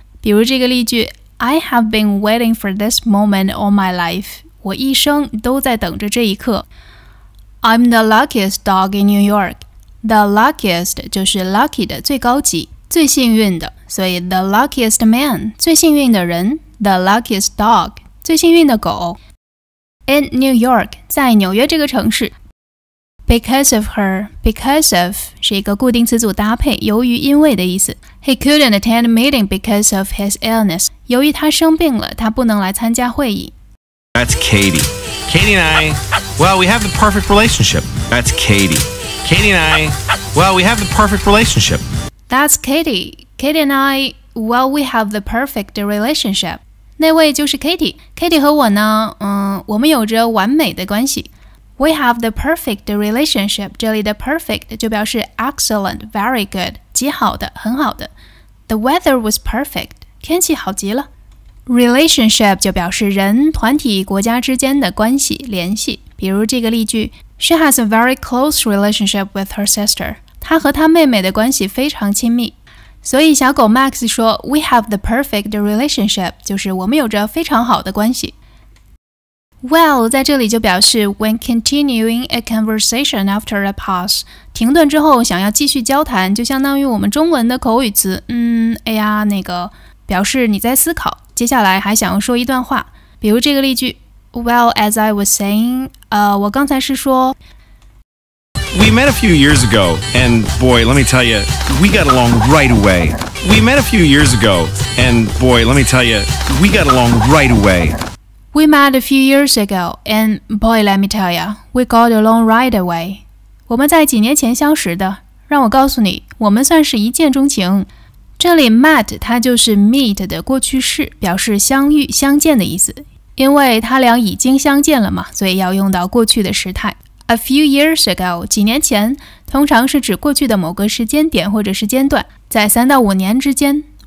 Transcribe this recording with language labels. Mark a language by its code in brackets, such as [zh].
[zh] 比如这个例句 [en] I have been waiting for this moment all my life. [zh] 我一生都在等着这一刻。 [en] I'm the luckiest dog in New York. The luckiest [zh] 就是 [en] lucky [zh] 的最高级最幸运的。所以 [en] the luckiest man, [zh] 最幸运的人 [en] the luckiest dog, [zh] 最幸运的狗。 [en] In New York, [zh] 在纽约这个城市。 [en] Because of her, because of [zh] 是一个固定词组搭配，由于因为的意思。 [en] He couldn't attend a meeting because of his illness. [zh] 由于他生病了，他不能来参加会议。 [en] That's Katie. Katie and I, well, we have the perfect relationship. That's Katie. Katie and I, well, we have the perfect relationship. That's Katie. Katie and I, well, we have the perfect relationship. [zh] 那位就是 Katie. Katie 和我呢，我们有着完美的关系。 [en] We have the perfect relationship. [zh] 这里的 [en] perfect [zh] 就表示 [en] excellent, very good, [zh] 极好的，很好的。 [en] The weather was perfect. [zh] 天气好极了。Relationship 就表示人、团体、国家之间的关系、联系。比如这个例句 [en] She has a very close relationship with her sister. [zh] 她和她妹妹的关系非常亲密。所以小狗 [en] Max [zh] 说 [en] We have the perfect relationship. [zh] 就是我们有着非常好的关系。 Well, 在这里就表示 [en] when continuing a conversation after a pause, [zh] 停顿之后想要继续交谈就相当于我们中文的口语词哎呀那个表示你在思考接下来还想要说一段话。比如这个例句 [en] Well, as I was saying, [zh] 我刚才是说 [en] We met a few years ago, and boy, let me tell you, we got along right away. We met a few years ago, and boy, let me tell you, we got along right away. We met a few years ago, and boy, let me tell you, we got along right away. [zh] 我们在几年前相识的。让我告诉你，我们算是一见钟情。这里 met 它就是 meet 的过去式，表示相遇、相见的意思。因为他俩已经相见了嘛，所以要用到过去的时态。 [en] A few years ago, [zh] 几年前，通常是指过去的某个时间点或者时间段，在三到五年之间。